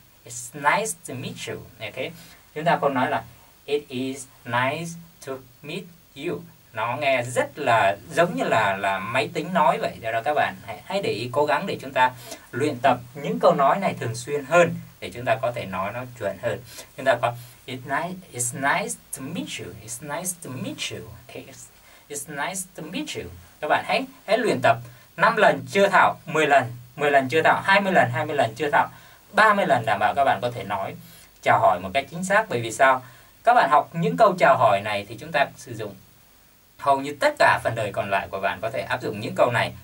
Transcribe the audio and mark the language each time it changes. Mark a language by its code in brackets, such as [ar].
[en] It's nice to meet you. Okay. [vi] Chúng ta còn nói là [en] it is nice to meet you. [vi] Nó nghe rất là giống như là máy tính nói vậy. Do đó các bạn hãy để ý, cố gắng để chúng ta luyện tập những câu nói này thường xuyên hơn để chúng ta có thể nói nó chuẩn hơn. Chúng ta có [en] it's nice to meet you. It's nice to meet you. Okay. It's nice to meet you. [vi] Các bạn hãy luyện tập 5 lần chưa thạo, 10 lần, 10 lần chưa thạo, 20 lần chưa thạo, 30 lần đảm bảo các bạn có thể nói chào hỏi một cách chính xác. Bởi vì sao? Các bạn học những câu chào hỏi này thì chúng ta sử dụng hầu như tất cả phần đời còn lại của bạn có thể áp dụng những câu này.